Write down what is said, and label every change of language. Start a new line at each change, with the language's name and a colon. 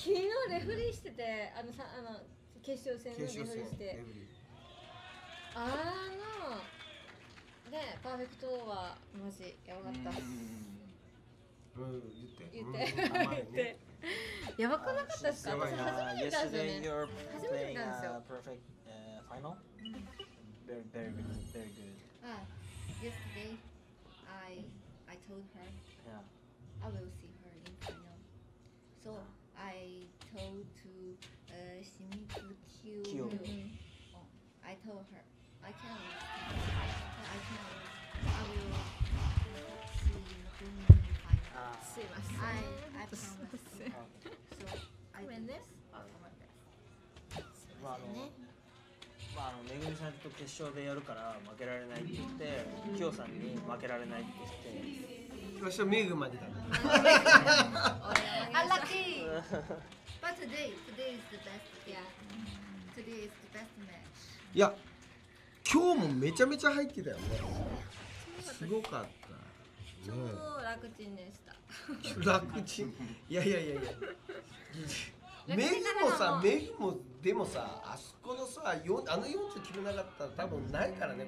Japanese: 昨日レフリーしてて、あのさ、あの決勝戦のレフリーして。レフリー。あーの、で、パーフェクトオーバー、マジ、やばかった。言って。言って。言って。やばくなかったっすか？私初めて見たんですよね。初めて見たんですよ。
English: Perfect, final? Very, very good, very good. Ah, yesterday, I told her, yeah, I will see her in final. So, I told to, Shimizu Kyo. I told her, I can't wait. I can't wait. I will see you in final. I promise. So, I win this.
Japanese: まあ、あのめぐみさんと決勝でやるから負けられないって言って、きよさんに負けられないって言って、決勝めぐまでだね。アラッキー。
English: But today, today is the best. Yeah. Today is the best match.
Japanese: いや、今日もめちゃめちゃ入ってたよね。すごかった。超楽ちんでした。楽ちん。いやいやいやいや。メグもさ、メグもでもさ、あそこのさ、あの4つ決めなかったら多分ないからね。